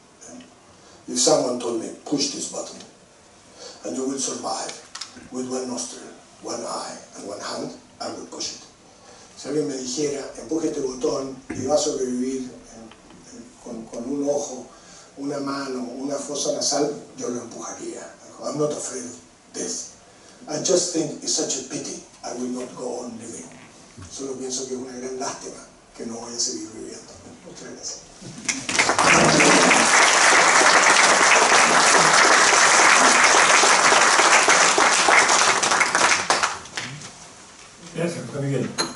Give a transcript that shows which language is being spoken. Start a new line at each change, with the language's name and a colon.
English: And if someone told me, push this button, and you will survive with one nostril, one eye, and one hand, I will push it.
Spanish: Si alguien me dijera, empuje este botón y va a sobrevivir con un ojo, una mano, una fosa nasal, yo lo empujaría.
English: I'm not afraid of death. I just think it's such a pity I will not go on living.
Spanish: Solo pienso que es una gran lástima que no voy a seguir viviendo. Muchas gracias. Gracias, Miguel.